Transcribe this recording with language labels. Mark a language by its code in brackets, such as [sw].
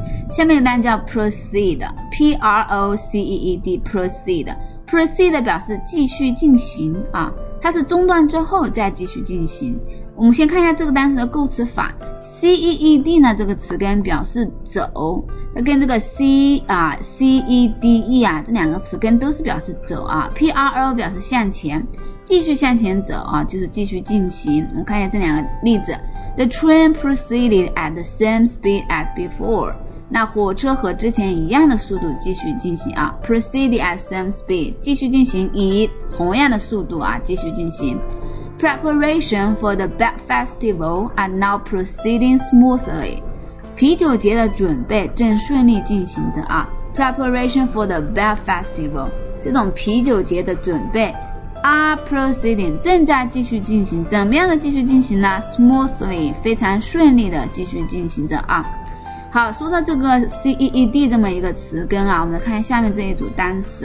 [zh] 下面的单叫 proceed， P-R-O-C-E-E-D， proceed， proceed 表示继续进行啊，它是中断之后再继续进行。我们先看一下这个单词的构词法。 CEED 呢，这个词根表示走，那跟这个 CEDE 啊，这两个词根都是表示走啊。 PRO 表示向前，继续向前走啊，就是继续进行。我们看一下这两个例子。 [en] The train proceeded at the same speed as before。 [zh] 那火车和之前一样的速度继续进行啊， [en] proceed at same speed， [zh] 继续进行，以同样的速度啊继续进行。 [en] Preparation for the Bat Festival are now proceeding smoothly， [zh] 啤酒节的准备正顺利进行着啊。 [en] Preparation for the Bat Festival， [zh] 这种啤酒节的准备 [en] are proceeding， [zh] 正在继续进行，怎么样的继续进行呢？ smoothly， 非常顺利的继续进行着啊。好，说到这个 CEED 这么一个词根啊，我们来看下面这一组单词。